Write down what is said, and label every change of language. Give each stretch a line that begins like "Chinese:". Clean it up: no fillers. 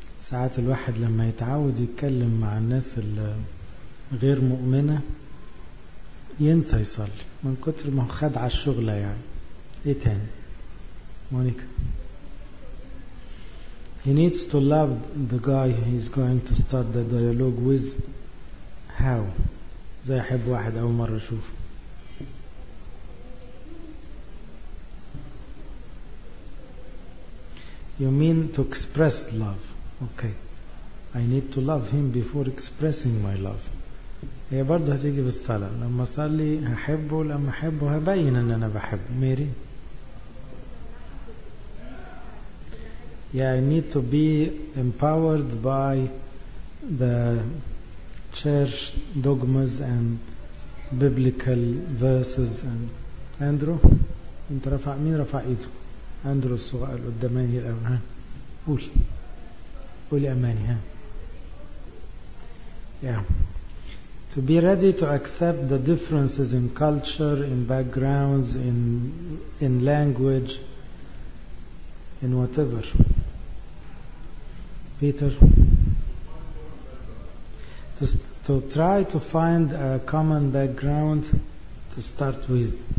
Arabic: ساعات الواحد لما يتعود يتكلم مع الناس الغير مؤمنة ينسى يصلي من كتر ما خد على الشغلة يعني. ايه تاني مونيكا؟
English: He needs to love the guy he's going to start the dialogue with. How?
Arabic: زي احب واحد اول مرة اشوفه.
English: You mean to express love. Okay, I need to love him before expressing my love.
Arabic: هي برضو هتيجي بالصلاة. لما صلي هحبه، لما احبه هبين ان انا بحبه. ميري.
English: Yeah, I need to be empowered by the church dogmas and biblical verses.
Arabic: And Andrew, انت رفع مين رفع ايده؟ أندرو الصغير قدامي الأول. ها قول قول يا أماني. ها yeah.
English: To be ready to accept the differences in culture, in backgrounds, in language, in whatever. Peter. To try to find a common background to start with.